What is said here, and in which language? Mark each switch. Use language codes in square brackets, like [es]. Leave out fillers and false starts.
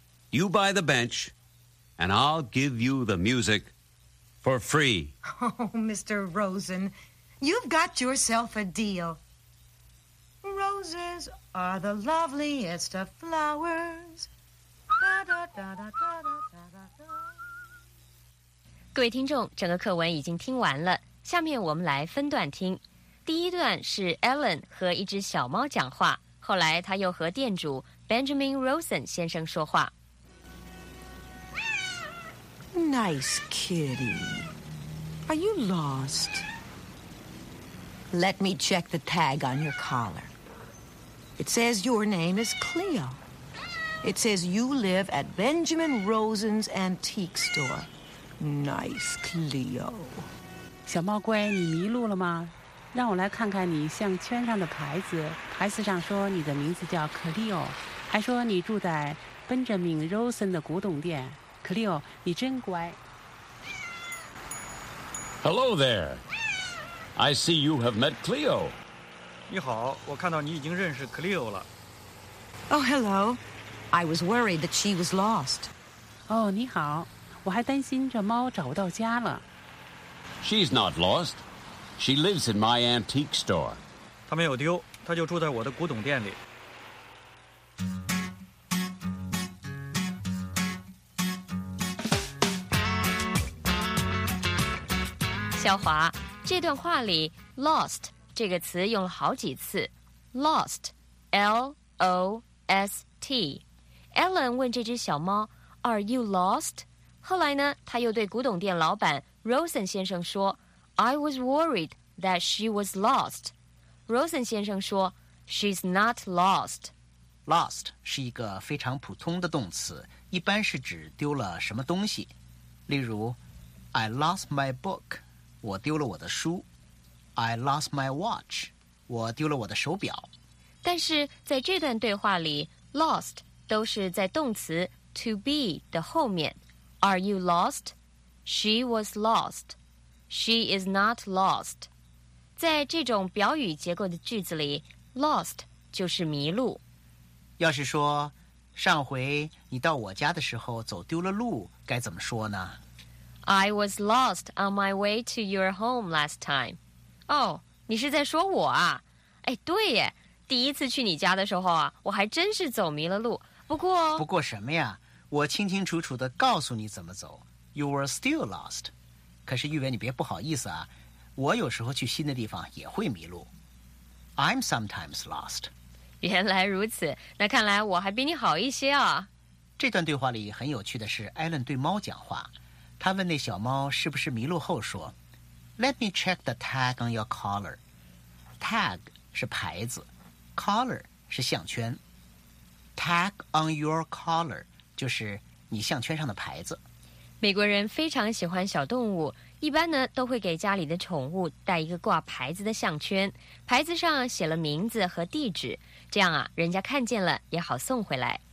[en] You buy the bench, and I'll give you the music for free. Oh, Mr. Rosen, you've got yourself a deal. Roses are the loveliest of flowers. Da, da, da, da, da, da, da, da. [zh] 各位听众，整个课文已经听完了，下面我们来分段听。第一段是 Ellen 和一只小猫讲话，后来他又和店主 Benjamin Rosen 先生说话。 [en] Nice kitty. Are you lost? Let me check the tag on your collar. It says your name is Cleo. It says you live at Benjamin Rosen's antique store. Nice Cleo. [zh] 小猫乖，你迷路了吗？让我来看看你项圈上的牌子，牌子上说你的名字叫 Cleo， 还说你住在 Benjamin Rosen 的古董店。 Cleo， 你真乖。 [en] Hello there. I see you have met Cleo. [zh] 你好，我看到你已经认识 Cleo 了。 [en] Oh, hello. I was worried that she was lost. [zh] 哦、oh, ，你好，我还担心这猫找不到家了。 [en] She's not lost. She lives in my antique store. [zh] 她没有丢，她就住在我的古董店里。小华，这段话里 lost 这个词用了好几次。 [en] Lost, L-O-S-T. [zh] Ellen 问这只小猫 , [en] Are you lost? [zh] 后来呢他又对古董店老板 Rosen 先生说 , [en] I was worried that she was lost. Rosen [zh] 先生说 [en] ,She's not lost. [zh] Lost 是一个非常普通的动词，一般是指丢了什么东西。例如 [en] ,I lost my book. [zh] 我丢了我的书 ， [en] I lost my watch， [zh] 我丢了我的手表。但是在这段对话里 ，lost 都是在动词 to be 的后面。 [en] Are you lost? She was lost. She is not lost. [zh] 在这种表语结构的句子里 ，lost 就是迷路。要是说上回你到我家的时候走丢了路，该怎么说呢？ [en] I was lost on my way to your home last time. [zh] Oh, 你是在说我啊？哎，对耶，第一次去你家的时候啊，我还真是走迷了路。不过什么呀？我清清楚楚地告诉你怎么走。 [en] You were still lost. [zh] 可是玉伟，你别不好意思啊，我有时候去新的地方也会迷路。 [en] I'm sometimes lost. [zh] 原来如此，那看来我还比你好一些啊。这段对话里很有趣的是，艾伦对猫讲话。他问那小猫是不是迷路后说 [en] Let me check the tag on your collar. [zh] Tag 是牌子， collar 是项圈。 [en] Tag on your collar [zh] 就是你项圈上的牌子。美国人非常喜欢小动物，一般呢都会给家里的宠物带一个挂牌子的项圈，牌子上写了名字和地址，这样啊人家看见了也好送回来。